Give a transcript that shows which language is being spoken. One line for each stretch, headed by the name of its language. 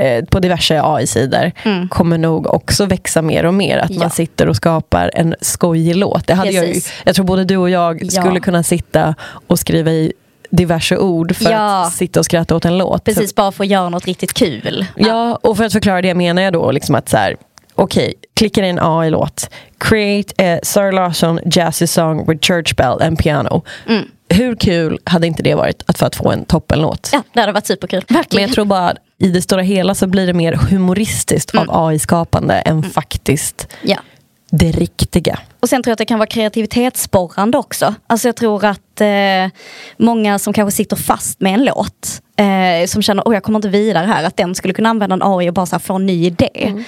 Swedish: På diverse AI-sidor kommer nog också växa mer och mer att man sitter och skapar en skojig låt. Det hade jag ju, jag tror både du och jag skulle kunna sitta och skriva i diverse ord för att sitta och skratta åt en låt. Precis, bara för att göra något riktigt kul. Ja, och för att förklara det menar jag då liksom att så här, okej, klickar in AI-låt.
English: Create a Sarah Larsson jazzy song with church bell and piano.
Swedish: Hur kul hade inte det varit att för att få en toppenlåt? Ja, det hade varit superkul. Verkligen. Men jag tror bara i det stora hela så blir det mer humoristiskt av AI-skapande än faktiskt det riktiga. Och sen tror jag att det kan vara kreativitetssporrande också. Alltså jag tror att många som kanske sitter fast med en låt som känner, åh, jag kommer inte vidare här, att den skulle kunna använda en AI och bara så här, få en ny idé.